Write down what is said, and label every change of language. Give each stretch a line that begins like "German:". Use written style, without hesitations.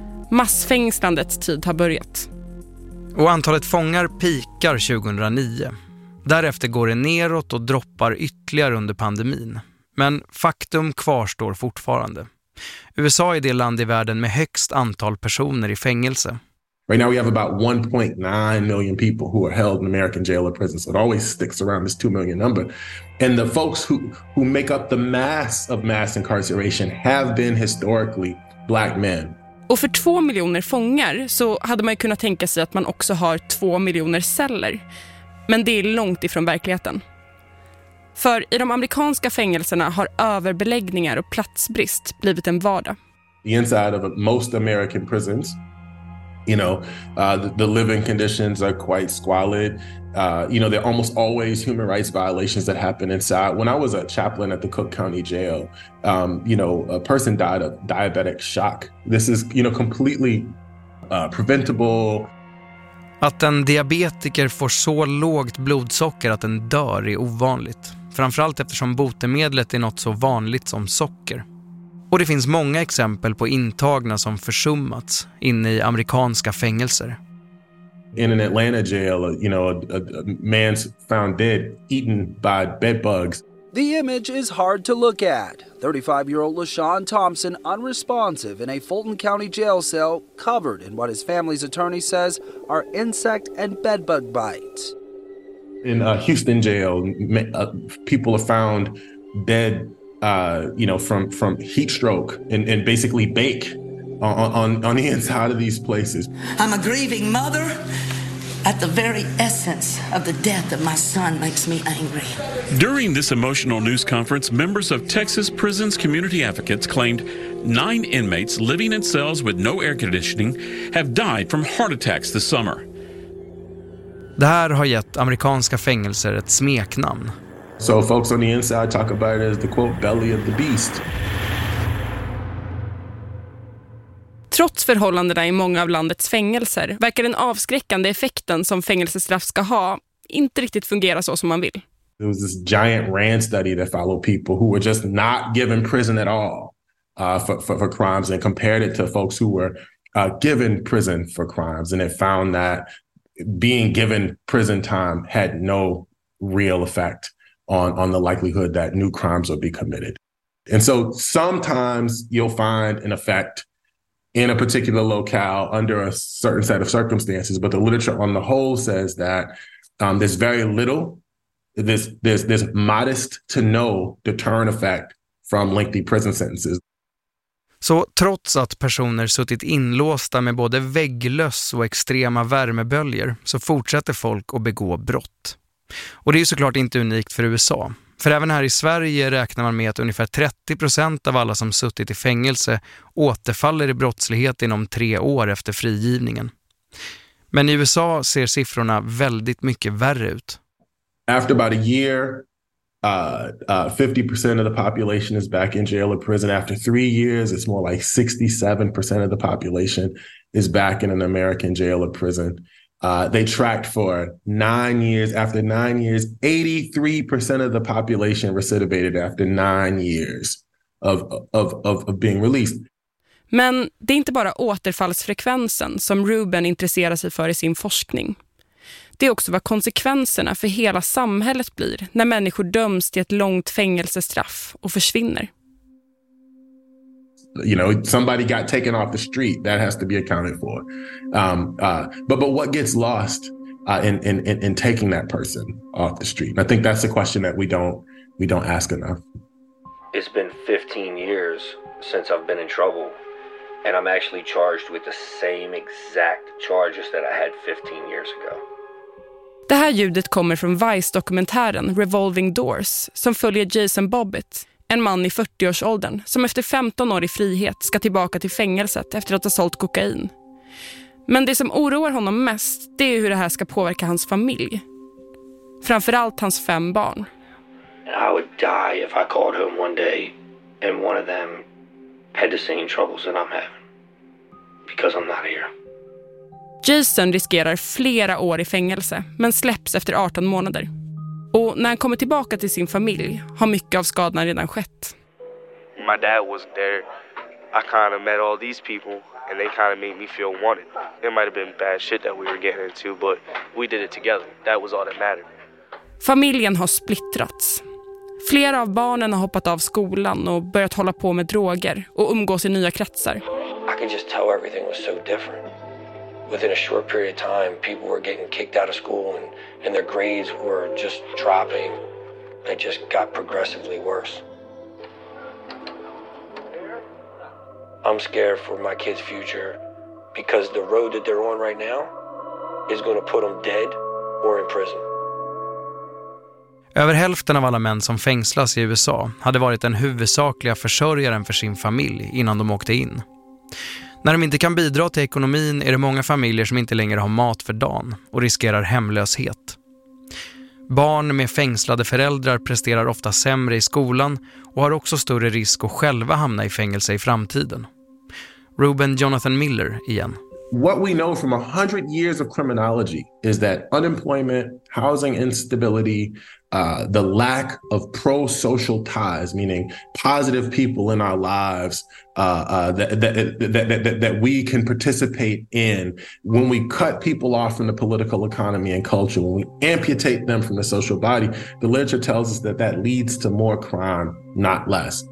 Swedish: Massfängslandets tid har börjat. Och antalet fångar peakar 2009. Därefter går det neråt och droppar ytterligare under pandemin. Men faktum kvarstår fortfarande. USA är det land i världen med högst antal personer i fängelse.
English: Right now we have about 1.9 million people who are held in American jail or prison. So it always sticks around this 2 million number. And the folks who make up the mass of mass incarceration have been historically black men.
Swedish: Och för 2 miljoner fångar så hade man ju kunnat tänka sig att man också har 2 miljoner celler. Men det är långt ifrån verkligheten. För i de amerikanska fängelserna har överbeläggningar och platsbrist blivit en vardag.
English: The inside of most American prisons, you know, the living conditions are quite squalid. You know, there are almost always human rights violations that happen inside. When I was a chaplain at the Cook County Jail, you know, a person died of diabetic shock. This is, you know, completely preventable.
Swedish: Att en diabetiker får så lågt blodsocker att den dör är ovanligt. Framförallt eftersom botemedlet är något så vanligt som socker. Och det finns många exempel på intagna som försummats inne i amerikanska fängelser.
English: In an Atlanta jail, you know, a man's found dead, eaten by bedbugs. The image is hard to look at. 35-year-old LaShawn Thompson, unresponsive in a Fulton County jail cell, covered in what his family's attorney says are insect and bedbug bites. In a Houston jail, people are found dead, you know, from heat stroke and basically bake on the inside of these places. I'm a grieving mother. At the very essence of the death of my son makes me angry. During this emotional news conference, members of Texas Prisons Community Advocates claimed 9 inmates living in cells with no air conditioning have died from heart attacks this summer.
Swedish: Det här har gett amerikanska fängelser ett smeknamn.
English: So folks on the inside talk about it as the quote belly of the beast.
Swedish: Trots förhållandena i många av landets fängelser verkar den avskräckande effekten som fängelsestraff ska ha inte riktigt fungera så som man vill.
English: There was this giant rant study that followed people who were just not given prison at all for crimes and compared it to folks who were given prison for crimes, and it found that being given prison time had no real effect on the likelihood that new crimes would be committed. And so sometimes you'll find an effect in a particular locale under a certain set of circumstances, but the literature on the whole says that there's very little, there's modest to no deterrent effect from lengthy prison sentences.
Swedish: Så trots att personer suttit inlåsta med både vägglöss och extrema värmeböljor så fortsätter folk att begå brott. Och det är ju såklart inte unikt för USA. För även här i Sverige räknar man med att ungefär 30% av alla som suttit i fängelse återfaller i brottslighet inom 3 år efter frigivningen. Men i USA ser siffrorna väldigt mycket värre ut.
English: After about a year 50% of the population is back in jail or prison. After 3 years, it's more like 67% of the population is back in an American jail or prison. They tracked for 9 years. After 9 years, 83% of the population recidivated after 9 years of being released.
Swedish: Men det är inte bara återfallsfrekvensen som Ruben intresserar sig för i sin forskning. Det är också vad konsekvenserna för hela samhället blir när människor döms till ett långt fängelsestraff och försvinner.
English: You know, somebody got taken off the street, that has to be accounted for. But what gets lost in taking that person off the street? I think that's a question that we don't ask enough. It's been 15 years since I've been in trouble and I'm actually charged with the same exact charges that I had 15 years ago.
Swedish: Det här ljudet kommer från Vice-dokumentären Revolving Doors som följer Jason Bobbitt, en man i 40-årsåldern som efter 15 år i frihet ska tillbaka till fängelset efter att ha sålt kokain. Men det som oroar honom mest, det är hur det här ska påverka hans familj. Framförallt hans 5 barn.
English: And I would die if I called home one day and one of them had the same troubles that I'm having because I'm not here.
Swedish: Jason riskerar flera år i fängelse men släpps efter 18 månader. Och när han kommer tillbaka till sin familj har mycket av skadan redan skett.
English: My dad was there. I kind of met all these people and they kind of made me feel wanted. It might have been bad shit that we were getting into, but we did it together. That was all that mattered.
Swedish: Familjen har splittrats. Flera av barnen har hoppat av skolan och börjat hålla på med droger och umgås i nya kretsar.
English: I can just tell everything was so different. Within a short period of time, people were getting kicked out of school and their grades were just dropping. It just got progressively worse. I'm scared for my kids' future because the road that they're on right now is going to put them dead or in prison.
Swedish: Över hälften av alla män som fängslas i USA hade varit den huvudsakliga försörjaren för sin familj innan de åkte in. När de inte kan bidra till ekonomin är det många familjer som inte längre har mat för dagen och riskerar hemlöshet. Barn med fängslade föräldrar presterar ofta sämre i skolan och har också större risk att själva hamna i fängelse i framtiden. Reuben Jonathan Miller igen.
English: What we know from 100 years of criminology is that unemployment, housing instability, the lack of pro-social ties, meaning positive people in our lives that we can participate in, when we cut people off from the political economy and culture, when we amputate them from the social body, the literature tells us that that leads to more crime, not less.